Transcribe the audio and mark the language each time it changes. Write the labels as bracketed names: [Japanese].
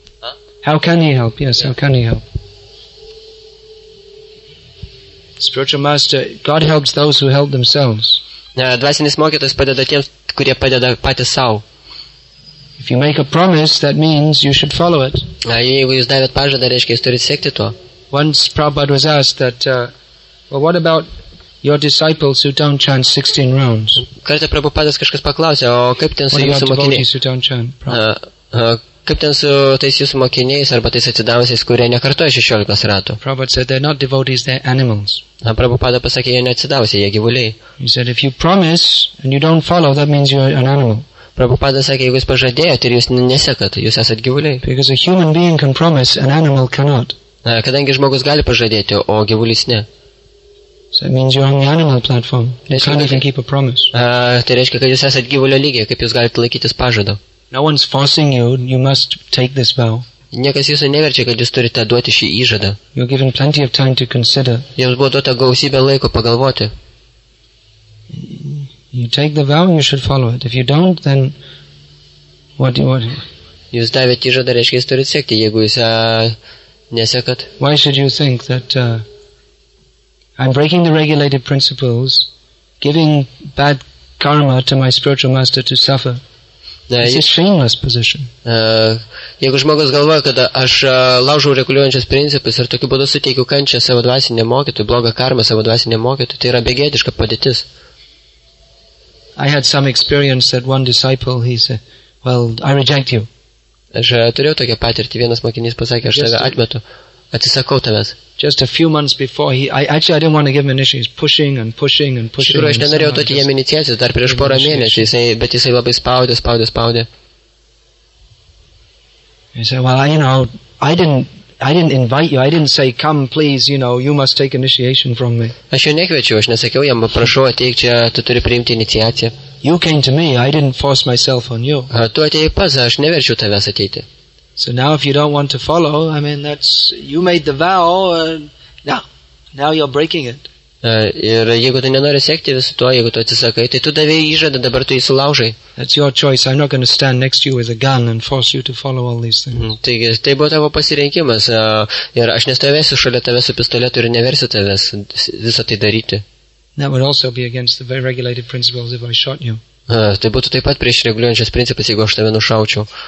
[English] Huh? How can he help? Yes, how can he help? Spiritual master, God helps those who help themselves. [Lithuanian] Dvasinis mokytojas padeda tiems, kurie padeda patys sau. [English] If you make a promise, that means you should follow it. [Lithuanian] Jeigu jūs davėt pažadą, reiškia, jūs turite sekti tuo. [English] Once Prabhupada was asked that, well, what about your disciples who don't chant 16 rounds? [Lithuanian] Kartą Prabhupadas kažkas paklausė, o kaip ten su jūsų mokiniais? Kaip ten su tais jūsų mokiniais arba tais atsidavusiais, kurie nekartoja 16 ratų? [English] Prabhupada said they're not devotees, they're animals. [Lithuanian] Prabhupada pasakė, jie neatsidavusiai, jie gyvuliai. [English] He said if you promise and you don't follow, that means you're an animal. [Lithuanian] Prabhupada sakė, jeigu jūs pažadėjote ir jūs nesekat, jūs esat gyvuliai. [English] Because a human being can promise, an animal cannot. [Lithuanian] Kadangi žmogus gali pažadėti, o gyvulys ne. [English] So it means you're on the animal platform. You can't even keep a promise. [Lithuanian] Tai reiškia, kad jūs esat gyvulio lygiai, kaip jūs galite laikytis pažado. [English] No one's forcing you, you must take this vow. [Lithuanian] Niekas jūsų neverčia, kad jūs turite duoti šį įžadą. [English] You're given plenty of time to consider. [Lithuanian] Jums buvo duota gausybė laiko pagalvoti. [English] You take the vow, you should follow it. If you don't, then what do you want? [Lithuanian] Jūs davėt įžadą, reiškia, jūs turite sekti, jeigu jūs nesekat. [English] Why should you think that I'm breaking the regulated principles, giving bad karma to my spiritual master to suffer? It's a shameless position. [Lithuanian] Jeigu žmogus galvoja, kad aš laužau reguliuojančius principus ir tokiu būdu suteikiu kančią savo dvasinį mokytojų, blogą karmą savo dvasinį mokytojų, tai yra begėdiška padėtis. [English] I had some experience that one disciple, he said, well, I reject you. [Lithuanian] Aš turėjau tokią patirtį, vienas mokinys pasakė, aš tave atmetu, atsisakau tavęs. [English] Just a few months before I didn't want to give him initiation. He's pushing. [Lithuanian] Tikrai aš nenorėjau duoti jam iniciacijos dar prieš porą mėnesių, bet jisai labai spaudė. [English] He said, well, you know, I didn't invite you. I didn't say come please, you know, you must take initiation from me. [Lithuanian] Aš jo nekviečiau, aš nesakiau jam, prašau ateik čia, tu turi priimti iniciaciją. [English] You came to me. I didn't force myself on you. [Lithuanian] Tu atėjai pas, aš neverčiau tavęs ateiti. [English] So now if you don't want to follow, I mean, that's, you made the vow, and now you're breaking it. [Lithuanian] Ir jeigu tu nenori sekti visu tuo, jeigu tu atsisakai, tai tu davėjai įžadą, dabar tu jį sulaužai. [English] That's your choice. I'm not going to stand next to you with a gun and force you to follow all these things. [Lithuanian] Taigi, tai buvo tavo pasirinkimas, ir aš nestovėsiu šalia tavęs su pistoletu ir neversiu tavęs visą tai daryti. [English] That would also be against the very regulated principles if I shot you. [Lithuanian] Tai būtų taip pat prieš reguliuojančias principus, jeigu aš tave nušaučiau.